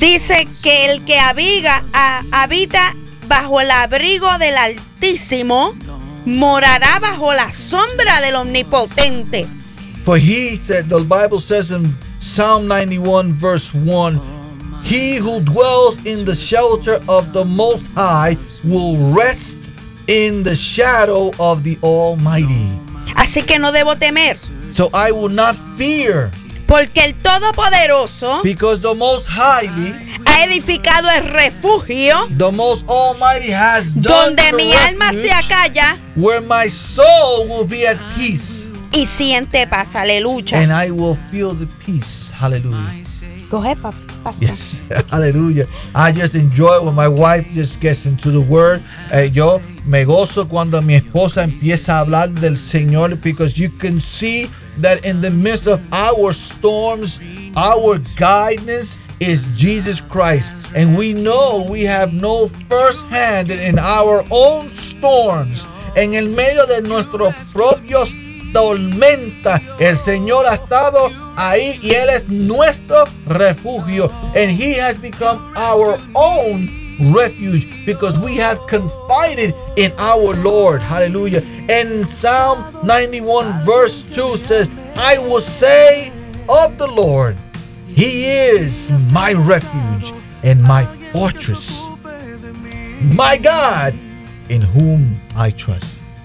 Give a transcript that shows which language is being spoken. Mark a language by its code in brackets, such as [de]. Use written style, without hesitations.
[es] dice que el que habita bajo el abrigo del Altísimo morará bajo la sombra del Omnipotente. [en] For he said, the Bible says in Psalm 91 verse 1, he who dwells in the shelter of the Most High will rest in the shadow of the Almighty. [es] Así que no debo temer. [en] So I will not fear. [es] Porque el Todopoderoso, [en] because the Most High, [es] ha edificado el refugio, [en] the Most Almighty has done, [es] donde [en] the [es] mi [en] refuge, [es] alma se acalla, [en] where my soul will be at peace. [es] Y siente paz, aleluya. [en] And I will feel the peace, hallelujah. Go ahead, papi. Pastor. Yes. Hallelujah. I just enjoy when my wife just gets into the word. [es] Yo me gozo cuando mi esposa empieza a hablar del Señor, [en] because you can see that in the midst of our storms, our guidance is Jesus Christ. And we know we have no first hand in our own storms. [es] En el medio de nuestros propios tormentas, el Señor ha estado ahí y Él es nuestro refugio. [en] And He has become our own refuge because we have confided in our Lord. Hallelujah. And Psalm 91 verse 2 says, I will say of the Lord, He is my refuge and my fortress, my God, in whom I trust.